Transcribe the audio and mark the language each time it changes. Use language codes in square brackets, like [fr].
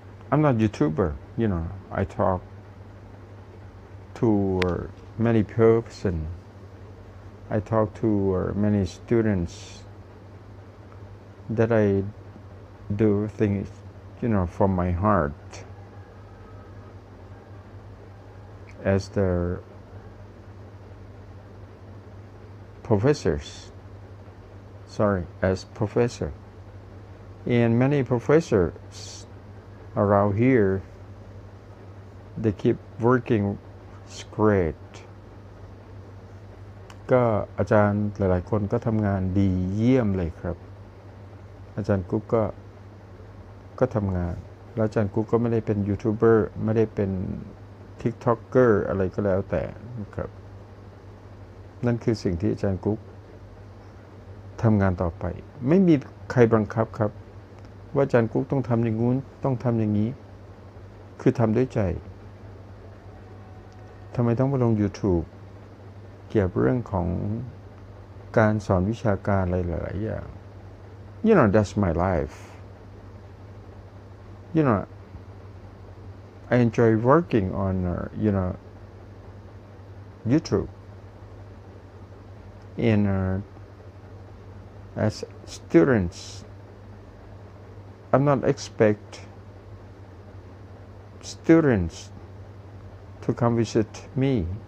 [en] I'm not a YouTuber, you know, I talk to many peeps and I talk to many students that I do things, you know, from my heart as the professors. Sorry, as professor. And many professors around here, they keep working great. [th] ก็อาจารย์หลายๆคนก็ทำงานดีเยี่ยมเลยครับอาจารย์กุ๊กก็ทำงานแล้วอาจารย์กุ๊กก็ไม่ได้เป็นยูทูบเบอร์ไม่ได้เป็นทิกท็อกเกอร์อะไรก็แล้วแต่ครับนั่นคือสิ่งที่อาจารย์กุ๊ก ทำงานต่อไปไม่มีใครบังคับครับว่าอาจารย์กุ๊กต้องทำอย่างงู้นต้องทำอย่างนี้คือทำด้วยใจทำไมต้องมาลง YouTube เกี่ยวกับเรื่องของการสอนวิชาการอะไรหลายๆอย่าง [en] You know, that's my life. You know, I enjoy working on, you know, YouTube. And as students, I'm not expect students to come visit me.